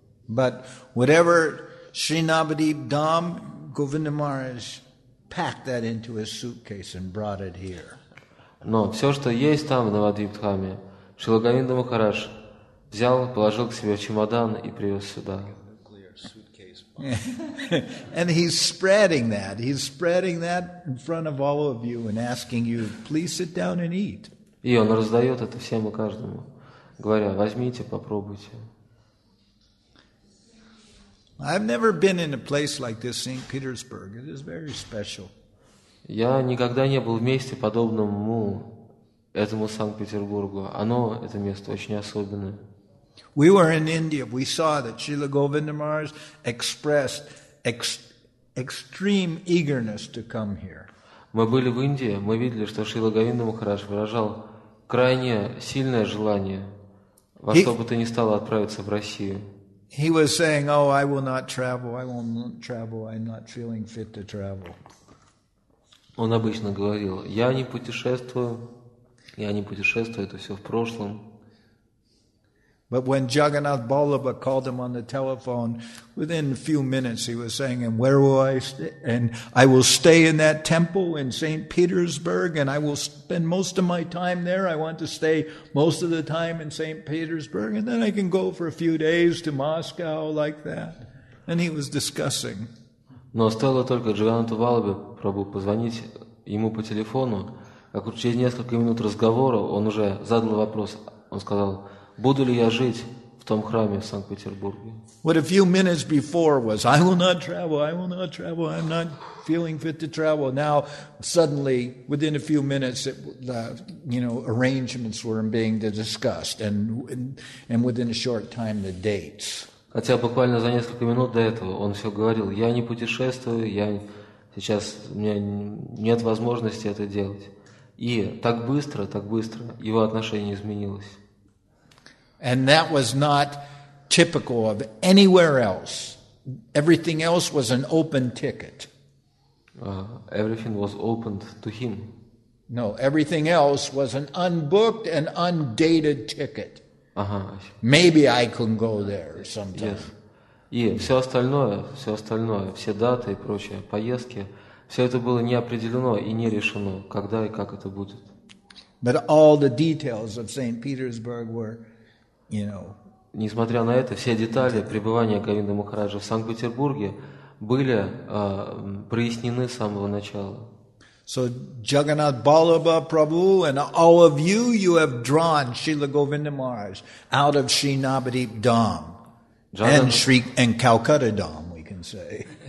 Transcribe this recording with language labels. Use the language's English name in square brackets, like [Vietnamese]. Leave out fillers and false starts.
[English] But whatever Srinabadeep Dham, Govinda Maharaj packed that into his suitcase and brought it here. [Russian] Но все, что есть там, в Навадвип Дхаме, Шрила Говинда Махарадж взял, положил к себе в чемодан и привез сюда. [English] And he's spreading that. He's spreading that in front of all of you and asking you, please sit down and eat. [Russian] И он раздает это всем и каждому, говоря, возьмите, попробуйте. [English] I've never been in a place like this, St. Petersburg. It is very special. [Russian] Я никогда не был в месте, подобном ему, этому Санкт-Петербургу. Оно, это место, очень особенное. [English] We were in India. We saw that Srila Govinda Maharaj expressed extreme eagerness to come here. [Russian] Мы были в Индии, мы видели, что Шрила Говинда Махарадж выражал крайне сильное желание во что бы то ни стало отправиться в Россию. [English] He was saying, oh, I will not travel, I will not travel, I'm not feeling fit to travel. [Russian] Он обычно говорил, я не путешествую, это все в прошлом. [English] But when Jagannath Ballabha called him on the telephone, within a few minutes he was saying, and where will I stay? And I will stay in that temple in St. Petersburg, and I will spend most of my time there. I want to stay most of the time in St. Petersburg, and then I can go for a few days to Moscow like that. And he was discussing. [Russian] Но стоило только Джагананту Валлабе пробовать позвонить ему по телефону, как через несколько минут разговора он уже задал вопрос. Он сказал, буду ли я жить в том храме в Санкт-Петербурге. [English] What a few minutes before was, I will not travel, I will not travel, I'm not feeling fit to travel. Now, suddenly, within a few minutes, arrangements were being discussed, and within a short time, the dates. [Russian] Хотя буквально за несколько минут до этого он все говорил, я не путешествую, сейчас у меня нет возможности это делать. И так быстро его отношение изменилось. [English] And that was not typical of anywhere else. Everything else was an open ticket. Everything was opened to him. No, everything else was an unbooked and undated ticket. Uh-huh. Maybe I can go there sometime. Yes. [Russian] И все остальное, все даты и прочие поездки, все это было не определено и не решено, когда и как это будет. [English] But all the details of St. Petersburg were, you know. [Russian] Несмотря на это, все детали пребывания Говинды Махараджа в Санкт-Петербурге были прояснены с самого начала. [English] So Jagannath Ballabha Prabhu and all of you, you have drawn Srila Govinda Maharaj out of Srinabhadip Dham. And Sri and Calcutta Dham, we can say.